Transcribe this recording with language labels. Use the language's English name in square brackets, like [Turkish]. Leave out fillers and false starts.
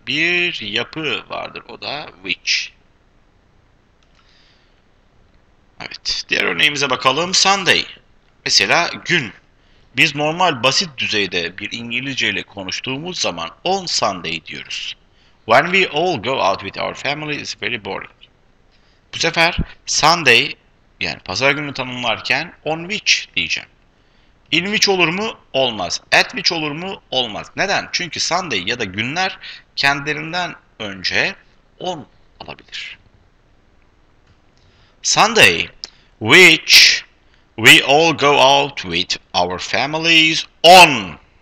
[Turkish] Bir yapı vardır. O da which. Evet. Diğer örneğimize bakalım. Sunday. Mesela gün. Biz normal basit düzeyde bir İngilizce ile konuştuğumuz zaman on Sunday diyoruz. [English] When we all go out with our family, it's very boring. [Turkish] Bu sefer Sunday, yani pazar gününü tanımlarken on which diyeceğim. In which olur mu? Olmaz. At which olur mu? Olmaz. Neden? Çünkü Sunday ya da günler kendilerinden önce on alabilir. [English] Sunday, which we all go out with our families on.